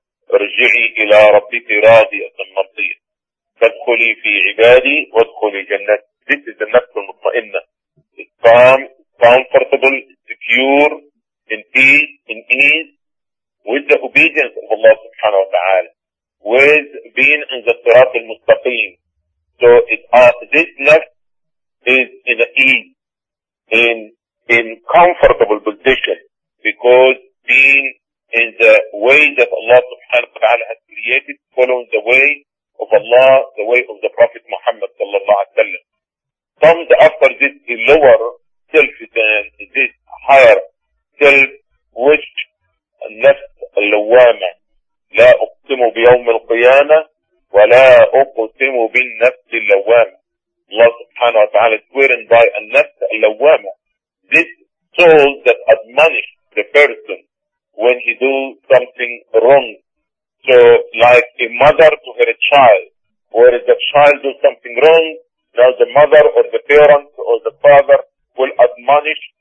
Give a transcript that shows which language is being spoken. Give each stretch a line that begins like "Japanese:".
Arabic: ارجعي إلى ربك راضية مرضية فادخلي في عبادي وادخلي جنات.
English: This is the nafs المطمئنة. It's calm, it's comfortable, it's secure, in ease, with the obedience of Allah subhanahu wa ta'ala, with being in the sirat المستقيم. So it, this nafs is in ease, in comfortable position, because being in the way that Allah subhanahu wa ta'ala has created, following the way of Allah, the way of the Prophet Muhammad sallallahu alayhi wa sallam. Comes after this a lower self than this higher self, which nafs al-lawama.
Arabic: لا أقسم بيوم القيامة ولا أقسم بالنفس اللوامة.
English: Allah subhanahu wa ta'ala is swearing by a nafs al-lawama. This soul that admonished the person when he do something wrong. So, like a mother to her child, where the child does something wrong, now the mother or the parent or the father will admonish